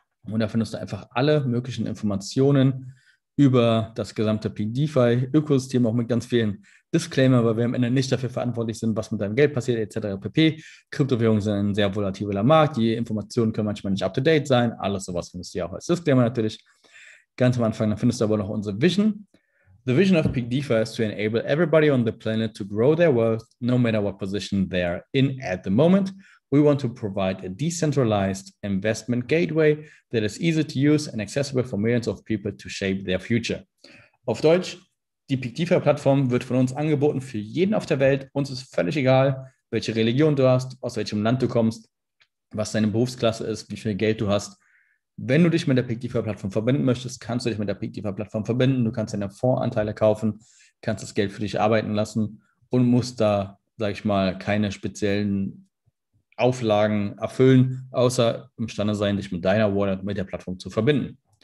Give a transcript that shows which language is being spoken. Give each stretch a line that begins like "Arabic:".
German: Und da findest du einfach alle möglichen Informationen über das gesamte Peak DeFi Ökosystem, auch mit ganz vielen Disclaimer, weil wir am Ende nicht dafür verantwortlich sind, was mit deinem Geld passiert, etc. pp. Kryptowährungen sind ein sehr volatiler Markt. Die Informationen können manchmal nicht up to date sein. Alles sowas findest du ja auch als Disclaimer natürlich. Ganz am Anfang, da findest du aber noch unsere Vision.
English: The vision of Peak DeFi is to enable everybody on the planet to grow their wealth, no matter what position they're in at the moment. We want to provide a decentralized investment gateway that is easy to use and accessible for millions of people to shape their future.
German: Auf Deutsch, die Peak DeFi-Plattform wird von uns angeboten für jeden auf der Welt. Uns ist völlig egal, welche Religion du hast, aus welchem Land du kommst, was deine Berufsklasse ist, wie viel Geld du hast. Wenn du dich mit der Peak DeFi-Plattform verbinden möchtest, kannst du dich mit der Peak DeFi-Plattform verbinden. Du kannst deine Fondsanteile kaufen, kannst das Geld für dich arbeiten lassen und musst da, sage ich mal, keine speziellen Auflagen erfüllen, außer imstande sein, dich mit deiner Wallet, mit der Plattform zu verbinden.